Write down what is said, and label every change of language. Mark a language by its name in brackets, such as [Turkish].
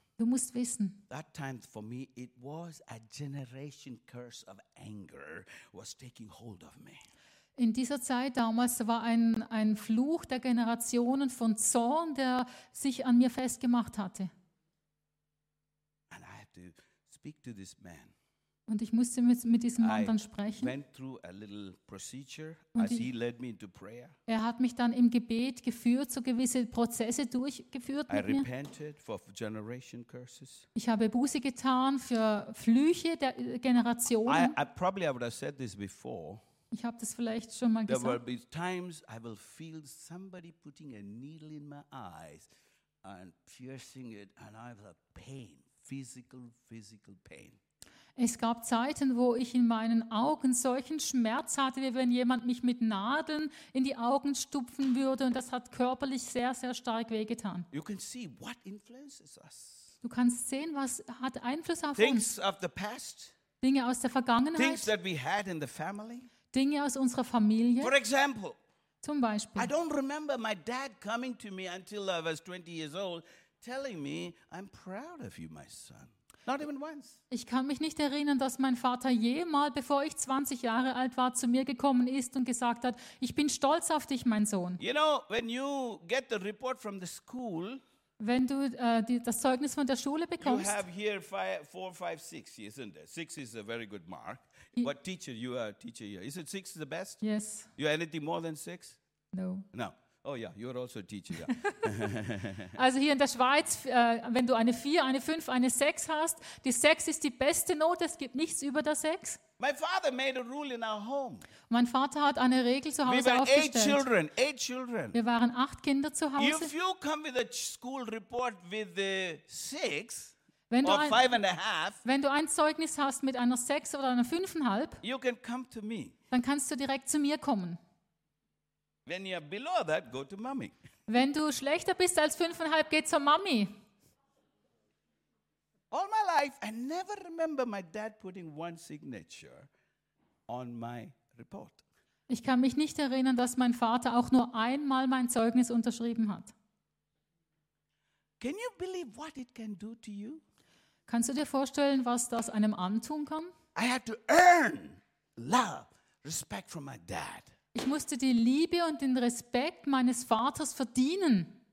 [German] du musst wissen. [English] That time for me, it was a generation curse of anger was taking hold of me. [German] In dieser Zeit damals war ein Fluch der Generationen von Zorn, der sich an mir festgemacht hatte. [English] And I have to speak to this man. [German] Und ich musste mit diesem Mann dann sprechen. [English] I went through a little procedure as he led me into prayer. [German] Er hat mich dann im Gebet geführt, so gewisse Prozesse durchgeführt mit mir. [English] I repented for generation curses. [German] Ich habe Buße getan für Flüche der Generationen. [English] I probably would have said this before. [German] Ich habe das vielleicht schon mal gesagt. [English] There will be times I will feel somebody putting a needle in my eyes and piercing it and I will have pain, physical pain. [German] Es gab Zeiten, wo ich in meinen Augen solchen Schmerz hatte, wie wenn jemand mich mit Nadeln in die Augen stupfen würde, und das hat körperlich sehr, sehr stark wehgetan. [English] You can see what influences us. [German] Du kannst sehen, was hat Einfluss auf [English] Things [German] uns. [English] Of the past, [German] Dinge aus der Vergangenheit. [English] Things that we had in the family. [German] Dinge aus unserer Familie. [English] For example, [German] zum Beispiel. [English] I don't remember my dad coming to me until I was 20 years old, telling me, I'm proud of you, my son. Not even once. [German] Ich kann mich nicht erinnern, dass mein Vater jemals, bevor ich 20 Jahre alt war, zu mir gekommen ist und gesagt hat, ich bin stolz auf dich, mein Sohn. [English] You know, when you get the report from the school, [German] wenn du das Zeugnis von der Schule bekommst, [English] you have here 4, 5, 6, isn't it? 6 is a very good mark. What teacher, you are teacher here. Is it 6 the best? Yes. You are anything more than 6? No. No. Oh yeah, you're also a teacher. Yeah. [German] Also hier in der Schweiz, wenn du eine 4, eine 5, eine 6 hast, die 6 ist die beste Note, es gibt nichts über der 6. [English] My father made a rule in our home. [German] Mein Vater hat eine Regel zu Hause aufgestellt. [English] Eight children. [German] Wir waren 8 Kinder zu Hause. [English] If you come with a school report with the 6 or 5 and a half, [German] wenn du ein Zeugnis hast mit einer 6 oder einer 5,5, [English] you can come to me. [German] Dann kannst du direkt zu mir kommen. [English] When you're below that, go to mommy. [German] Wenn du schlechter bist als 5,5, geh zur Mami. [English] All my life, I never remember my dad putting one signature on my report. [German] Ich kann mich nicht erinnern, dass mein Vater auch nur einmal mein Zeugnis unterschrieben hat. [English] Can you believe what it can do to you? [German] Kannst du dir vorstellen, was das einem antun kann? [English] I had to earn love, respect from my dad. [German] Ich musste die Liebe und den Respekt meines Vaters verdienen.